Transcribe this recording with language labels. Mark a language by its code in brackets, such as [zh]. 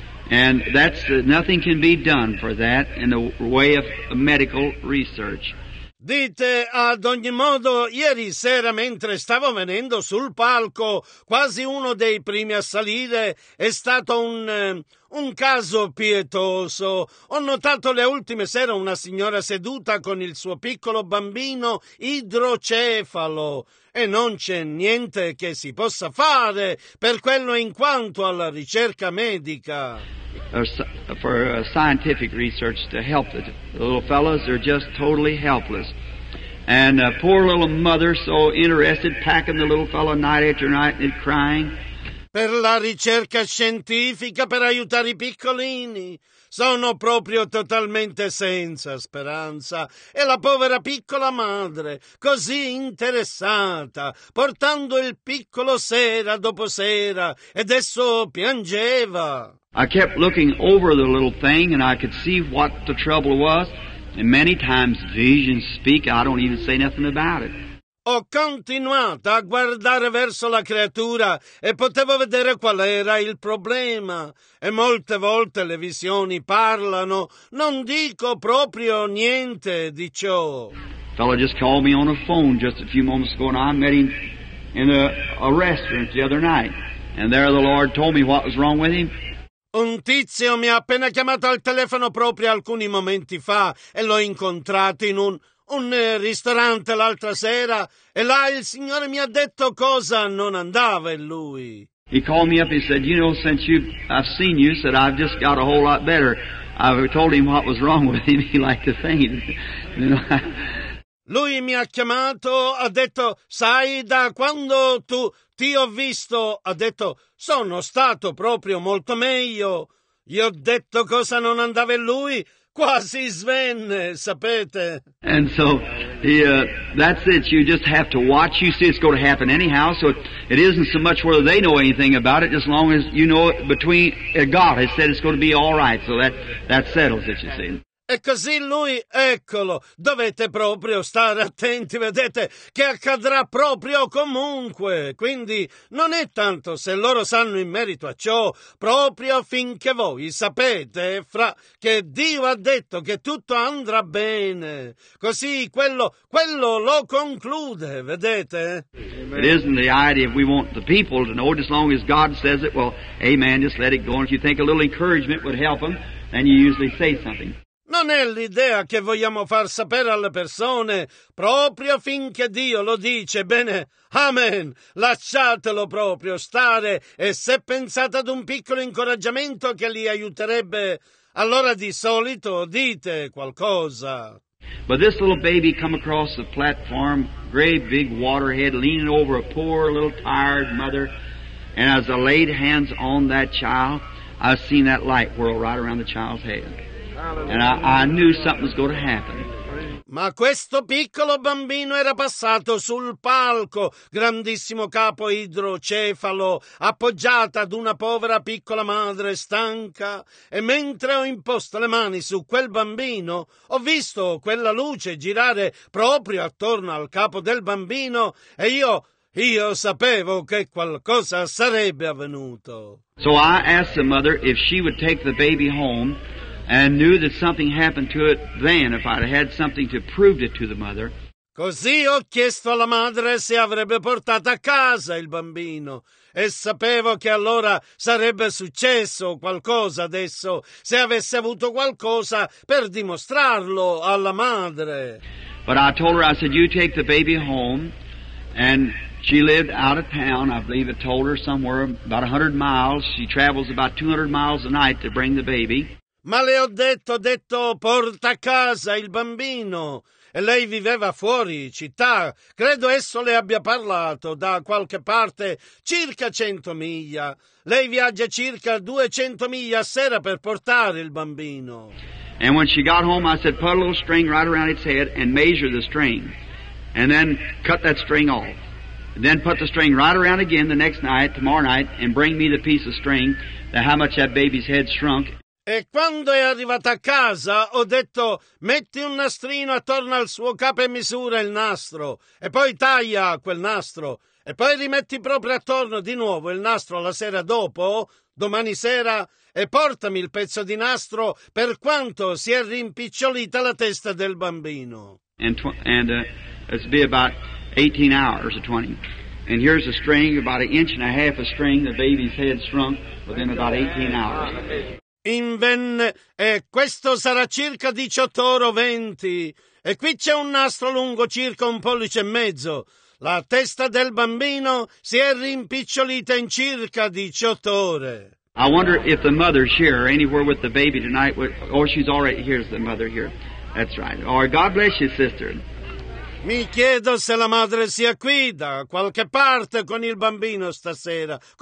[en] And that's nothing can be done for that in the way of medical research. [it] Dite, ad ogni modo, ieri sera mentre stavo venendo sul palco, quasi uno dei primi a salire, è stato un caso pietoso. Ho notato le ultime sere una signora seduta con il suo piccolo bambino idrocefalo. E non c'è niente che si possa fare per quello in quanto alla ricerca medica. [en] For scientific research to help it. The little fellows are just totally helpless. And a poor little mother so interested packing the little fellow night after night and crying. [it] Per la ricerca scientifica, per aiutare i piccolini. Sono proprio totalmente senza speranza. E la povera piccola madre, così interessata, portando il piccolo sera dopo sera, ed esso piangeva. [en] I kept looking over the little thing and I could see what the trouble was. And many times visions speak, I don't even say nothing about it. [it] Ho continuato a guardare verso la creatura e potevo vedere qual era il problema. E molte volte le visioni parlano, non dico proprio niente di ciò. [en] A fellow just called me on the phone just a few moments ago and I met him in a restaurant the other night. And there the Lord told me what was wrong with him. [it] Un tizio mi ha appena chiamato al telefono proprio alcuni momenti fa e l'ho incontrato in un ristorante l'altra sera e là il signore mi ha detto cosa non andava in lui. [en] He called me up and said, you know, since I've seen you, said I've just got a whole lot better. I told him what was wrong with him. He liked to faint. You know? [it] Lui mi ha chiamato, ha detto, sai, da quando tu ti ho visto, ha detto, sono stato proprio molto meglio. Gli ho detto cosa non andava in lui, quasi svenne, sapete. [en] And so, that's it. You just have to watch. You see, it's going to happen anyhow. So it isn't so much whether they know anything about it, as long as you know it between God has said it's going to be all right. So that settles it, you see. [it] E così lui, eccolo, dovete proprio stare attenti, vedete, che accadrà proprio comunque. Quindi non è tanto se loro sanno in merito a ciò, proprio finché voi sapete, che Dio ha detto che tutto andrà bene. Così quello lo conclude, vedete? [en] It isn't the idea if we want the people to know it, as long as God says it, well, amen, just let it go. And if you think a little encouragement would help them, then you usually say something. [it] Non è l'idea che vogliamo far sapere alle persone, proprio finché Dio lo dice, bene, amen, lasciatelo proprio stare, e se pensate ad un piccolo incoraggiamento che li aiuterebbe, allora di solito dite qualcosa. [en] But this little baby come across the platform, great big waterhead, leaning over a poor little tired mother, and as I laid hands on that child, I seen that light whirl right around the child's head. And I knew something was going to happen. [it] Ma questo piccolo bambino era passato sul palco, grandissimo capo idrocefalo, appoggiata ad una povera piccola madre stanca. E mentre ho imposto le mani su quel bambino, ho visto quella luce girare proprio attorno al capo del bambino e io sapevo che qualcosa sarebbe avvenuto. [en] So I asked the mother if she would take the baby home. And knew that something happened to it then, if I'd had something to prove it to the mother. [it] Così ho chiesto alla madre se avrebbe portato a casa il bambino. E sapevo che allora sarebbe successo qualcosa adesso, se avesse avuto qualcosa per dimostrarlo alla madre. [en] But I told her, I said, you take the baby home. And she lived out of town, I believe I told her, somewhere about 100 miles. She travels about 200 miles a night to bring the baby. [it] Ma le ho detto, porta a casa il bambino. E lei viveva fuori città. Credo esso le abbia parlato da qualche parte, circa 100 miglia. Lei viaggia circa 200 miglia a sera per portare il bambino. [en] And when she got home, I said, put a little string right around its head and measure the string. And then cut that string off. And then put the string right around again the next night, tomorrow night, and bring me the piece of string, how much that baby's head shrunk. [it] E quando è arrivata a casa, ho detto, metti un nastrino attorno al suo capo e misura il nastro, e poi taglia quel nastro, e poi rimetti proprio attorno di nuovo il nastro la sera dopo, domani sera, e portami il pezzo di nastro per quanto si è rimpicciolita la testa del bambino. [en] It's be about 18 hours or 20. And here's a string, about an inch and a half of string, the baby's head shrunk within about 18 hours. [it] Invenne, e questo sarà circa 18 ore o 20, e qui c'è un nastro lungo circa un pollice e mezzo. La testa del bambino si è rimpicciolita in circa 18 ore. [en] I wonder if the mother's here, anywhere with the baby tonight, or she's already here, the mother here. That's right. Or God bless you, sister. [it] Mi chiedo se la madre sia qui, da qualche parte, con il bambino stasera.